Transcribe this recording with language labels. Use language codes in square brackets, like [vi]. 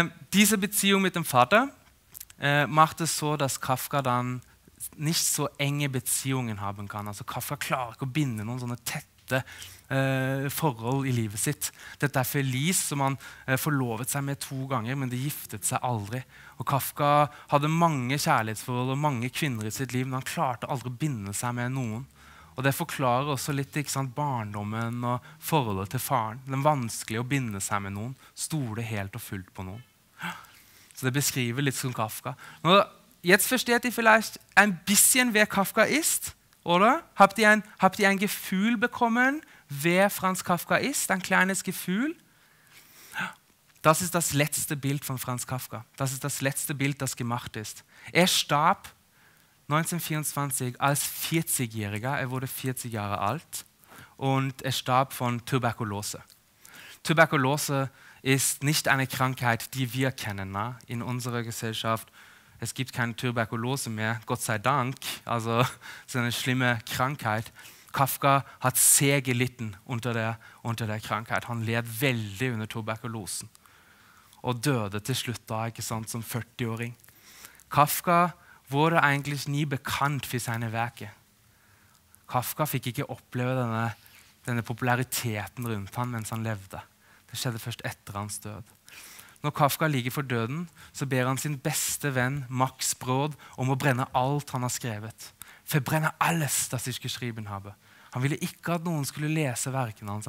[de] Diese Beziehung mit dem Vater machte so, dass Kafka dann nicht so enge Beziehungen haben kann. [no] Also Kafka klarer ikke å binde noen sånne tette forhold i livet sitt. Dette Felice, som han forlovet seg med to ganger, men de giftet seg aldri. Og Kafka hadde mange kjærlighetsforhold og mange kvinner i sitt liv, men han klarte aldri å binde seg med noen. Og det forklarer også litt, ikke sant, barndommen og forholdet til faren. Den vanskelige å binde seg med noen. Stole helt og fullt på noen. Så det beskriver litt som Kafka. [de] Nå, jetzt versteht ihr vielleicht ein bisschen, wer Kafka ist, oder? Habt ihr ein Gefühl bekommen, wer Franz Kafka ist? Ein kleines Gefühl? Das ist das letzte Bild von Franz Kafka. Das ist das letzte Bild, das gemacht ist. Er starb 1924 als 40-Jähriger. Er wurde 40 Jahre alt und er starb von Tuberkulose. Tuberkulose ist nicht eine Krankheit, die wir kennen, na, in unserer Gesellschaft. Es gibt keine Tuberkulose mehr, Gott sei Dank. Also, es ist eine schlimme Krankheit. Kafka hat sehr gelitten unter der Krankheit. [no] Han led veldig under tuberkulosen. Og døde til slutt da, ikke sant, som 40-åring. [de] Kafka wurde eigentlich nie bekannt für seine Werke. [no] Kafka fikk ikke oppleve denne populariteten rundt han mens han levde. Det skjedde først etter hans død. Når Kafka ligger for døden, så ber han sin beste venn, Max Brod, om å brenne alt han har skrevet. [de] Verbrenne alles, das ich geschrieben habe. [no] Han ville ikke at noen skulle lese verkene hans.